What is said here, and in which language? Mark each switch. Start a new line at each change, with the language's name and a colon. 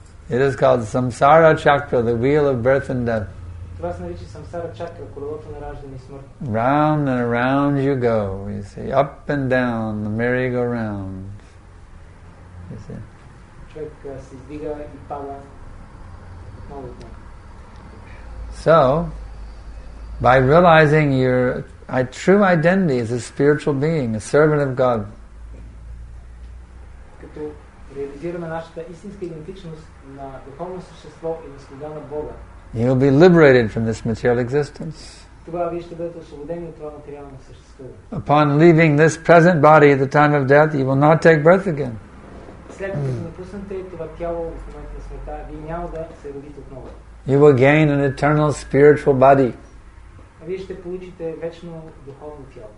English: It is called samsara chakra, the wheel of birth and death.
Bulgarian: Това се нарича самсара чакра, колелото на раждане и смърт.
English: Round and around you go, you see. Up and down, the merry-go-round. You see.
Bulgarian: Човек се издига и пада много дно.
English: So, by realizing your true identity as a spiritual being, a servant of God.
Bulgarian: Като реализираме нашата истинска идентичност на духовно същество и на слуга на Бога.
English: You'll be liberated from this material existence.
Bulgarian: Тогава вие ще бъдете освободени от това материално същество.
English: Upon leaving this present body at the time of death, you will not take birth again.
Bulgarian: След като напуснете това тяло в момента на смъртта, вие няма да се родите отново.
English: You will gain an eternal spiritual body.
Bulgarian: Вие ще получите вечно духовно тяло.